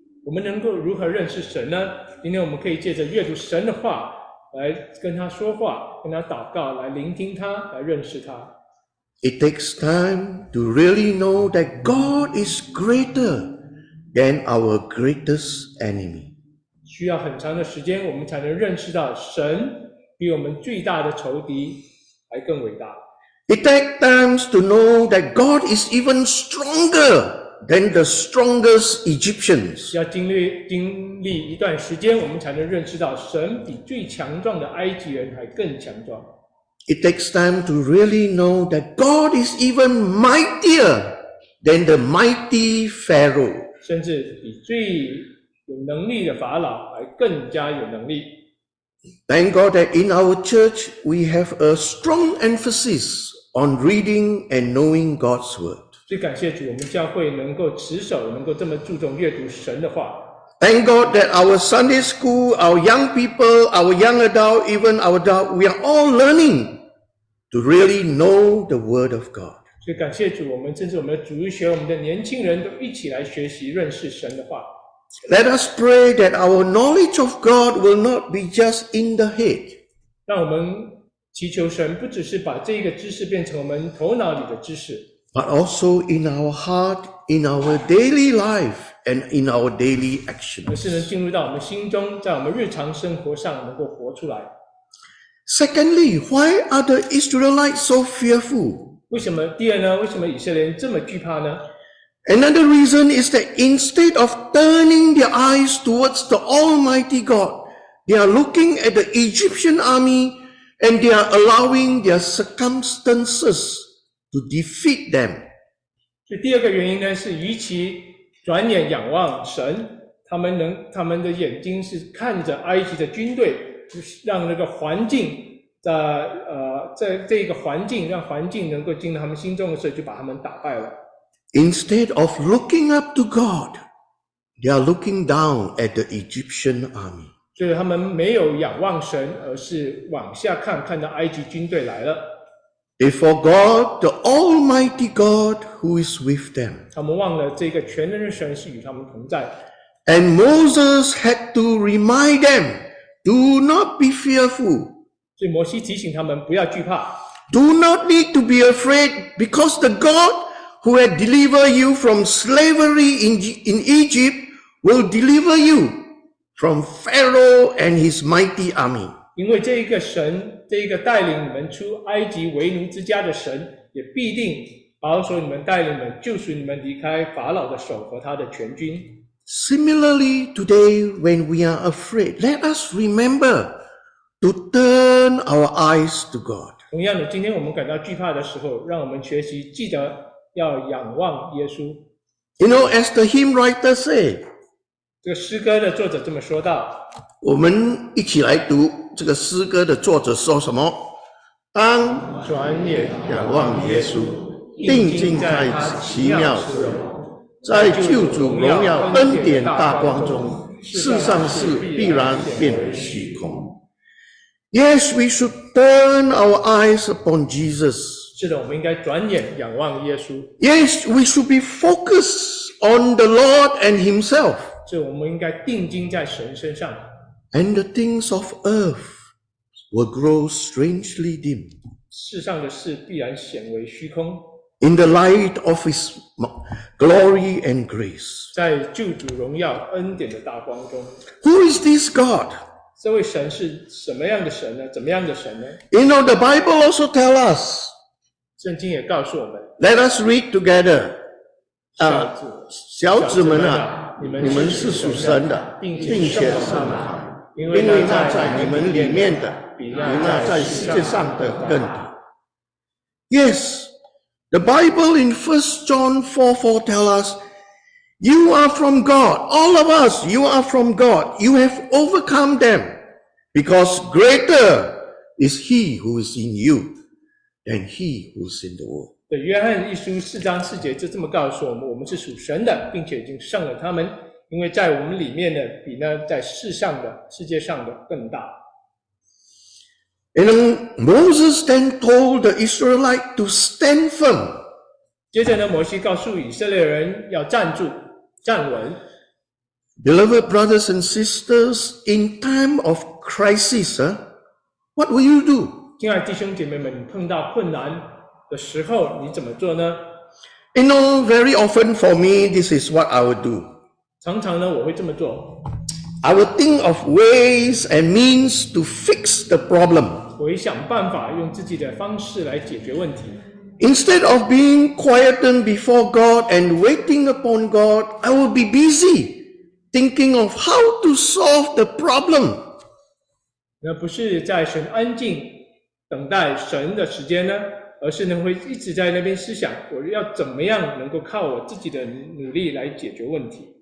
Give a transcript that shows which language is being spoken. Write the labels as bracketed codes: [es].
[zh] 我们能够如何认识神呢？今天我们可以借着阅读神的话来跟他说话，跟他祷告，来聆听他，来认识他。 [en] It takes time to really know that God is greater than our greatest enemy. [zh] 需要很长的时间，我们才能认识到神比我们最大的仇敌还更伟大。 [en] It takes time to know that God is even stronger than the strongest Egyptians. [zh] 需要经历一段时间，我们才能认识到神比最强壮的埃及人还更强壮。 [en] It takes time to really know that God is even mightier than the mighty Pharaoh. [zh] 甚至比最有能力的法老还更加有能力。 [en] Thank God that in our church we have a strong emphasis on reading and knowing God's word. [zh] 最感谢主，我们教会能够持守，能够这么注重阅读神的话。 [en] Thank God that our Sunday school, our young people, our young adult, even our adult, we are all learning to really know the Word of God. [zh] 所以感谢主，我们甚至我们的主日学，我们的年轻人都一起来学习认识神的话。 [en] Let us pray that our knowledge of God will not be just in the head. [zh] 让我们祈求神不只是把这个知识变成我们头脑里的知识。 [en] But also in our heart, in our daily life, and in our daily actions. [zh] 而是能进入到我们心中，在我们日常生活上能够活出来。 [en] Secondly, why are the Israelites so fearful? [zh] 为什么第二呢？为什么以色列人这么惧怕呢？ [en] Another reason is that instead of turning their eyes towards the Almighty God, they are looking at the Egyptian army, and they are allowing their circumstances. To defeat them. [zh] 所以第二个原因呢，是与其转眼仰望神，他们的眼睛是看着埃及的军队，让那个环境的在这个环境，让环境能够进入他们心中的时候，就把他们打败了。 [en] Instead of looking up to God, they are looking down at the Egyptian army. [zh] 所以他们没有仰望神，而是往下看，看到埃及军队来了。 [en] They forgot the Almighty God who is with them. [zh] 他们忘了这个全能的神是与他们同在。 [en] And Moses had to remind them, do not be fearful. [zh] 所以摩西提醒他们不要惧怕。 [en] Do not need to be afraid because the God who had delivered you from slavery in Egypt will deliver you from Pharaoh and his mighty army. [zh] 因为这一个神，这一个带领你们出埃及为奴之家的神，也必定保守你们，带领你们，救赎你们离开法老的手和他的全军。 [en] Similarly, today when we are afraid, let us remember to turn our eyes to God. [zh] 同样的，今天我们感到惧怕的时候，让我们学习记得要仰望耶稣。 [en] You know, as the hymn writer said, [zh] 这个诗歌的作者这么说道。我们一起来读这个诗歌的作者说什么？当转眼仰望耶稣，定睛在他奇妙之容，在救主荣耀恩典大光中，世上事必然变为虚空。 [en] Yes, we should turn our eyes upon Jesus. [zh] 是的，我们应该转眼仰望耶稣。 [en] Yes, we should be focused on the Lord and Himself. [zh] 是，我们应该定睛在神身上。 [en] And the things of earth will grow strangely dim. [zh] 世上的事必然显为虚空。 [en] In the light of His glory and grace. [zh] 在救主荣耀恩典的大光中。 [en] Who is this God? [zh] 这位神是什么样的神呢？怎么样的神呢？ [en] You know, the Bible also tell us. [zh] 圣经也告诉我们。 [en] Let us read together. [zh] 小子们啊，你们是属神的，并且圣的。因为那在你们里面的比那在世界上的更大。 [en] Yes, the Bible in 1 John 4:4 tell us, You are from God, all of us, you are from God, you have overcome them, because greater is He who is in you than He who is in the world. [zh] 对，约翰一书四章四节就这么告诉我们，我们是属神的，并且已经胜了他们，因为在我们里面的比呢在世上的世界上的更大。 [en] And Moses then told the Israelite to stand firm. [zh] 接着呢，摩西告诉以色列人要站住，站稳。 [en] Beloved brothers and sisters, in time of crisis, what will you do? [zh] 亲爱弟兄姐妹们，你碰到困难的时候，你怎么做呢？ [en] You know, very often for me, this is what I would do. [zh] 常常呢，我会这么做。 [en] I would think of ways and means to fix the problem. [zh] 我会想办法用自己的方式来解决问题。 [en] Instead of being quietened before God and waiting upon God, I would be busy thinking of how to solve the problem. [zh] 那不是在神安静等待神的时间呢，而是呢会一直在那边思想，我要怎么样能够靠我自己的努力来解决问题。